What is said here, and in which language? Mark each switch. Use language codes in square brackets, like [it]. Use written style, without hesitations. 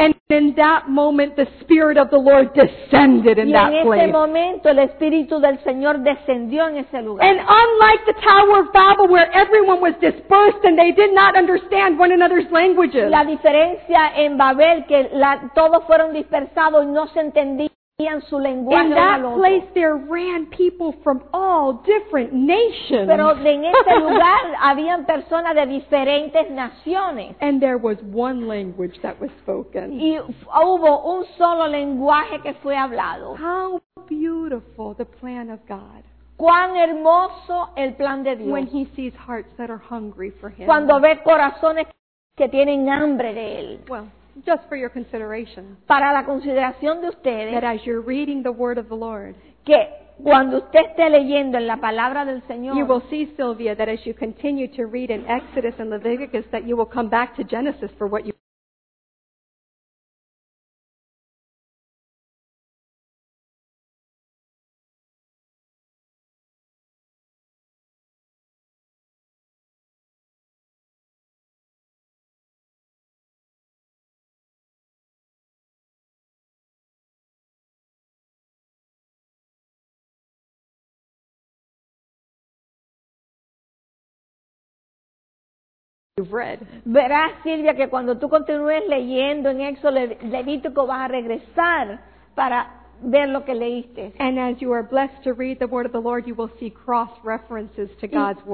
[en] And in that moment the Spirit of the Lord descended in that place. [es] Y en ese momento el Espíritu del Señor descendió en ese lugar. [en] And unlike the Tower of Babel where everyone was dispersed and they did not understand one another's languages. [es] La diferencia en Babel que todos fueron dispersados y no se entendían. [en] In that place there ran people from all different nations. [es] Pero en ese lugar habían personas de diferentes naciones. [en] And there was one language that was spoken. [es] Y hubo un solo lenguaje que fue hablado. [en] How beautiful the plan of God. [es] Cuán hermoso el plan de Dios. [en] When he sees hearts that are hungry for him. [es] Cuando ve corazones que tienen hambre de él. [en] Well, just for your consideration. [es] Para la consideración de ustedes. [en] That as you're reading the word of the Lord. [es] Que cuando usted esté leyendo en la palabra del Señor. [en] You will see, Sylvia, that as you continue to read in Exodus and Leviticus, that you will come back to Genesis for what you. Read. [es] Verás, Silvia, que cuando tú continúes leyendo en Éxodo Levítico vas a regresar para ver lo que leíste. [en] And as you are blessed to read the word of the Lord, you will see cross references to God's word.